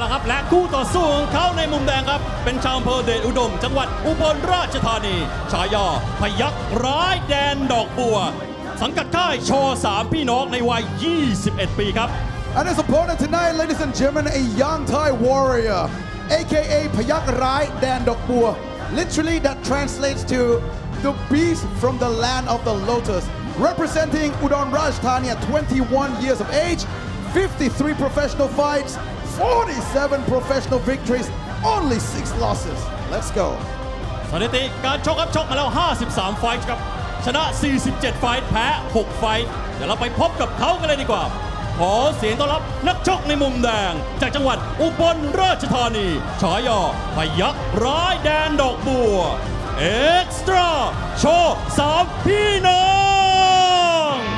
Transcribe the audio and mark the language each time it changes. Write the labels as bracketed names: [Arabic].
[Thai] และคู่ต่อสู้ของเขาในมุมแดงครับเป็นชาวอำเภอเดชอุดมจังหวัดอุบลราชธานีฉายาพยัคฆ์ร้ายแดนดอกบัวสังกัดค่ายช.3พี่น้องในวัย21ปีครับ [English] And his opponent tonight, ladies and gentlemen, a young Thai warrior, aka พยัคฆ์ร้ายแดนดอกบัว Literally that translates to the beast from the land of the lotus representing Udon Rajasthani at 21 years of age 53 professional fights47 professional victories, only 6 losses. Let's go. [Thai] สถิติการชกครับชกมาแล้ว53ไฟต์ครับชนะ47ไฟต์แพ้6ไฟต์เดี๋ยวเราไปพบกับเขากันเลยดีกว่าขอเสียงต้อนรับนักชกในมุมแดงจากจังหวัดอุบลราชธานีฉายาพยัคฆ์ร้ายแดนดอกบัวเอ็กซ์ตร้าโชว์3พี่น้อง